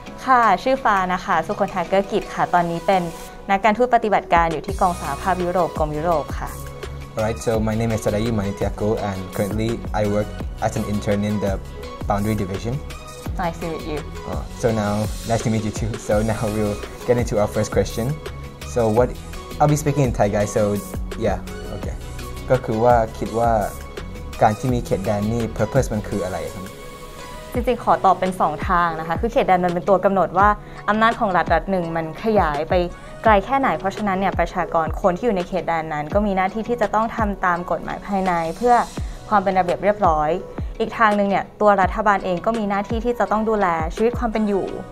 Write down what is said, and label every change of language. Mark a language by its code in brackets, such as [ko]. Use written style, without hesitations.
[th] ค่ะ ชื่อฟ้านะคะ สุคนทาเกอร์กิจค่ะ ตอนนี้เป็นนักการทูตปฏิบัติการอยู่ที่กองสหภาพยุโรปกรมยุโรปค่ะ [en] Alright, so my name is Sarayi Manitiako and currently I work as an intern in the Boundary Division. Nice to meet you. So now, nice to meet you too. So now we'll get into our first question. So what, I'll be speaking in Thai guys, so yeah, okay. [th] ก็คือว่าคิดว่าการที่มีเขตแดนนี่ purpose มันคืออะไรครับ จริงๆขอตอบเป็น2ทางนะคะคือเขตแดนมันเป็นตัวกำหนดว่าอำนาจของรัฐรัฐหนึ่งมันขยายไปไกลแค่ไหนเพราะฉะนั้นเนี่ยประชากรคนที่อยู่ในเขตแดนนั้นก็มีหน้าที่ที่จะต้องทำตามกฎหมายภายในเพื่อความเป็นระเบียบเรียบร้อยอีกทางนึงเนี่ยตัวรัฐบาลเองก็มีหน้าที่ที่จะต้องดูแลชีวิตความเป็นอยู่